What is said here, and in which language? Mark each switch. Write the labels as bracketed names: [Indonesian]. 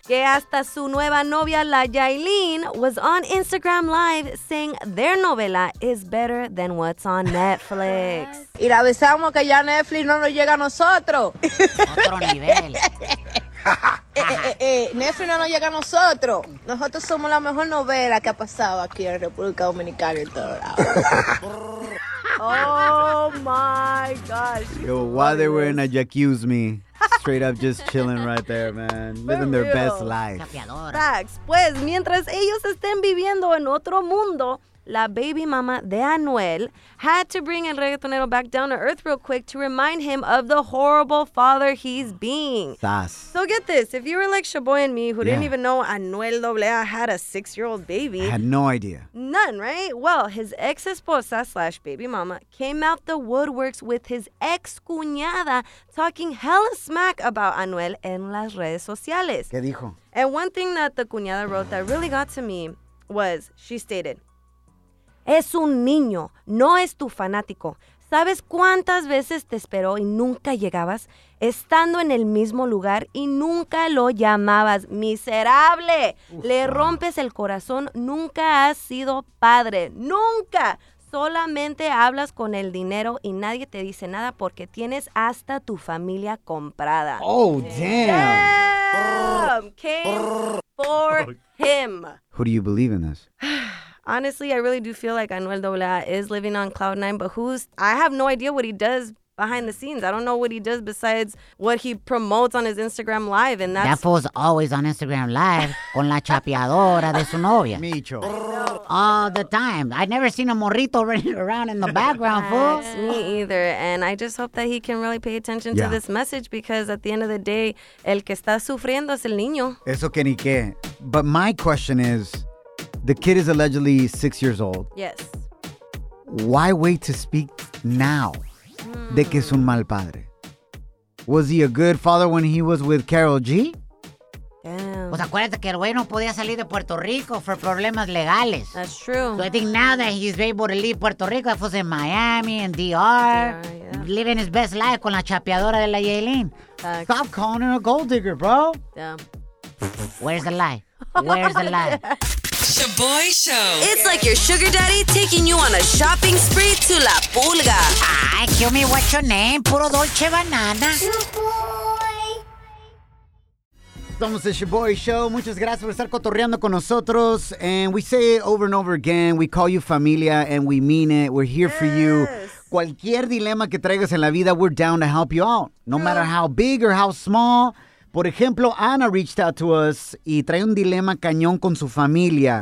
[Spanish] Que hasta su nueva novia, la Yailin, [English] was on Instagram Live saying their novela is better than what's on Netflix. [Spanish] Y le avisamos que ya Netflix no nos llega a nosotros. Otro nivel. Netflix no nos llega a nosotros. Nosotros somos la mejor novela que ha pasado aquí en la República Dominicana y en todo lado. [English] Oh my gosh. Yo, while they were in a jacuzzi, me. Straight up just chilling right there, man. For living their best life. Facts. [Spanish] Pues, mientras ellos estén viviendo en otro mundo, [English] la baby mama de Anuel had to bring [Spanish] el reggaetonero [English] back down to earth real quick to remind him of the horrible father he's being. Sas. So get this. If you were like Shaboy and me, who didn't even know Anuel AA had a six-year-old baby. I had no idea. None, right? Well, his ex-esposa slash baby mama came out the woodworks with his ex-cuñada talking hella smack about Anuel [Spanish] en las redes sociales. ¿Qué dijo? [English] And one thing that the cuñada wrote that really got to me was she stated, [Spanish] "Es un niño, no es tu fanático. ¿Sabes cuántas veces te esperó y nunca llegabas? Estando en el mismo lugar y nunca lo llamabas. ¡Miserable! Le rompes el corazón. Nunca has sido padre. ¡Nunca! Solamente hablas con el dinero y nadie te dice nada porque tienes hasta tu familia comprada." [English] ¡Oh, damn! ¡Damn! Came for him. Who do you believe in this? Honestly, I really do feel like Anuel AA is living on cloud nine, but I have no idea what he does behind the scenes. I don't know what he does besides what he promotes on his Instagram Live, and that's... That fool's always on Instagram Live [Spanish] con la chapeadora de su novia. Micho. [English] All the time. I've never seen a morrito running around in the background, fool. Me either, and I just hope that he can really pay attention to this message, because at the end of the day, [Spanish] el que está sufriendo es el niño. Eso que ni que. [English] But my question is... The kid is allegedly 6 years old. Yes. Why wait to speak now [Spanish] de que es un mal padre? [English] Was he a good father when he was with Carol G? Damn. [Spanish] Pues acuérdate que el güey no podía salir de Puerto Rico por problemas legales. [English] That's true. So I think now that he's able to leave Puerto Rico, that was in Miami and DR, living his best life [Spanish] con la chapeadora de la Yaelin. [English] Stop calling her a gold digger, bro. Yeah. Where's the lie? Where's the lie? Shaboy Show. It's like your sugar daddy taking you on a shopping spree to La Pulga. Ay, kill me, what's your name? [Spanish] Puro Dolce Banana. [English] Shaboy. [Spanish] Somos el Shaboy Show. Muchas gracias por estar cotorreando con nosotros. [English] And we say it over and over again. We call you familia and we mean it. We're here for you. [Spanish] Cualquier dilema que traigas en la vida, [English] we're down to help you out. No matter how big or how small. [Spanish] Por ejemplo, [English] Anna reached out to us [Spanish] y trae un dilema cañón con su familia.